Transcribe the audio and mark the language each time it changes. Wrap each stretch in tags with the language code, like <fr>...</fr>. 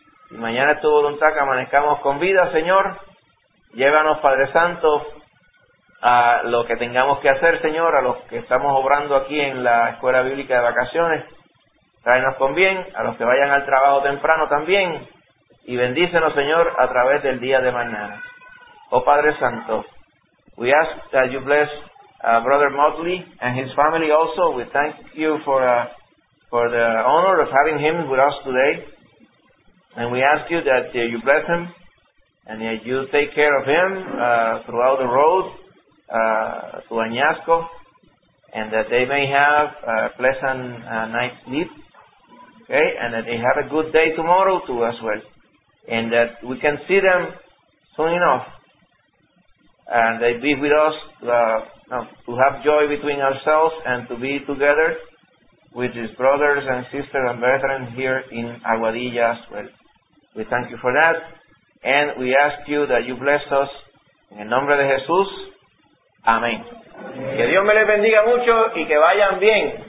<es>Y mañana es tu voluntad que amanezcamos con vida, Señor. Llévanos, Padre Santo, a lo que tengamos que hacer, Señor, a los que estamos obrando aquí en la Escuela Bíblica de Vacaciones. Tráenos con bien, a los que vayan al trabajo temprano también. Y bendícenos, Señor, a través del día de mañana. Oh, Padre Santo,</es> <en>we ask that you bless Brother Motley and his family also. We thank you for the honor of having him with us today. And we ask you that you bless him and that you take care of him throughout the road to Añasco, and that they may have a pleasant night's sleep, okay, and that they have a good day tomorrow too as well, and that we can see them soon enough and they be with us to have joy between ourselves and to be together with his brothers and sisters and brethren here in Aguadilla as well. We thank you for that, and we ask you that you bless us.</en> <es>En el nombre de Jesús, amén. Que Dios me les bendiga mucho y que vayan bien.</es>